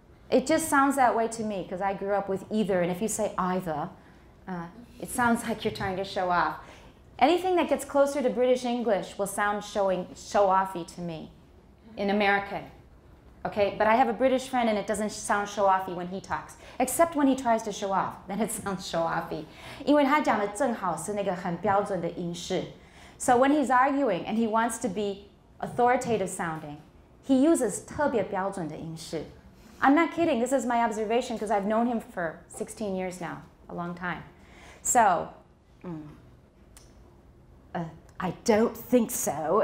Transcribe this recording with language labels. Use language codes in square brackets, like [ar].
[en] It just sounds that way to me because I grew up with either. And if you say either, it sounds like you're trying to show off. Anything that gets closer to British English will sound show-offy to me. In American, okay? But I have a British friend and it doesn't sound show-offy when he talks, except when he tries to show off, then it sounds show-offy. [zh] 因为他讲的正好是那个很标准的英式. [en] So when he's arguing and he wants to be authoritative sounding, he uses [zh] 特别标准的英式. [en] I'm not kidding, this is my observation because I've known him for 16 years now, a long time. So, I don't think so.